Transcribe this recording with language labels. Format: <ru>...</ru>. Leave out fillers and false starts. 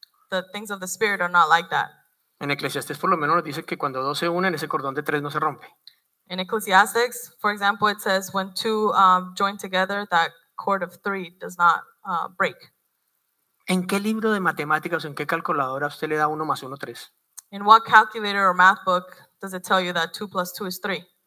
<en>The things of the spirit are not like that.</en> <es>En Eclesiastés por lo menos nos dice que cuando dos se unen ese cordón de tres no se rompe.</es> <en>In Ecclesiastics, for example, it says when two join together that cord of three does not break.</en> <es>¿En qué libro de matemáticas o en qué calculadora usted le da 1 más 1 3?</es> <en>In what calculator or math book does it tell you that 2 plus 2 is 3?</en>